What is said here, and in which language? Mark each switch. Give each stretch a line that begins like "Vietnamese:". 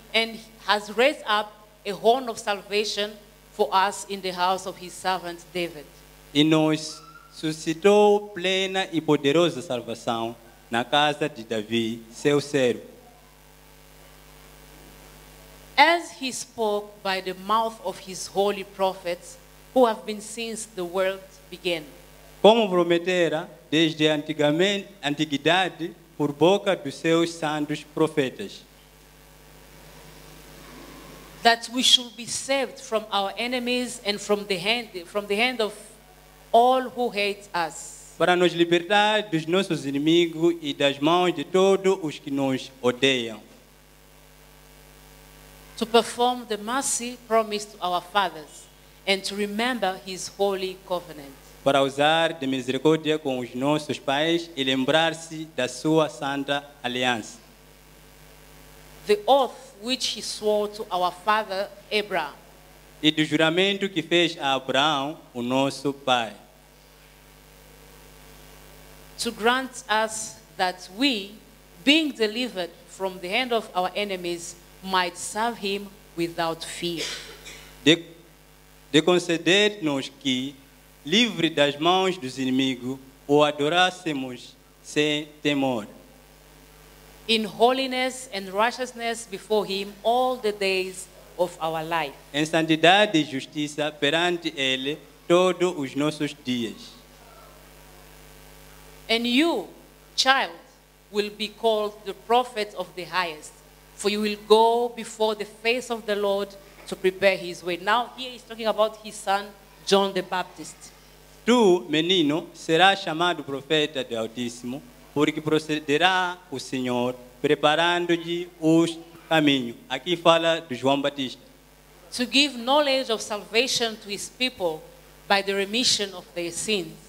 English: And has raised up a horn of salvation for us in the house of his servant David.
Portuguese: E nos suscitou plena e poderosa salvação na casa de Davi, seu servo.
English: As he spoke by the mouth of his holy prophets, who have been since the world began.
Portuguese: Como prometera desde antiguidade por boca dos seus santos profetas.
English: That we should be saved from our enemies and from the hand of all who hate us.
Portuguese: Para nos libertar dos nossos inimigos e das mãos de todos os que nos odeiam.
English: To perform the mercy promised to our fathers and to remember his holy covenant.
Portuguese: Para usar de misericórdia com os nossos pais e lembrar-se da sua santa aliança.
English: The oath which he swore to our father Abraham.
Portuguese: E do juramento que fez a Abraão, o nosso pai.
English: To grant us that we, being delivered from the hand of our enemies, might serve him without fear.
Portuguese: De conceder-nos que, livre das mãos dos inimigos, o adorássemos sem temor.
English: In holiness and righteousness before him all the days of our life.
Portuguese: Em santidade e justiça perante ele todos os nossos dias.
English: And you, child, will be called the prophet of the highest, for you will go before the face of the Lord to prepare his way. Now, here he's talking about his son, John the Baptist.
Portuguese: Tu, menino, serás chamado profeta do Altíssimo, porque procederá o Senhor, preparando-lhe os caminhos. Aqui fala de João Batista.
English: To give knowledge of salvation to his people by the remission of their sins.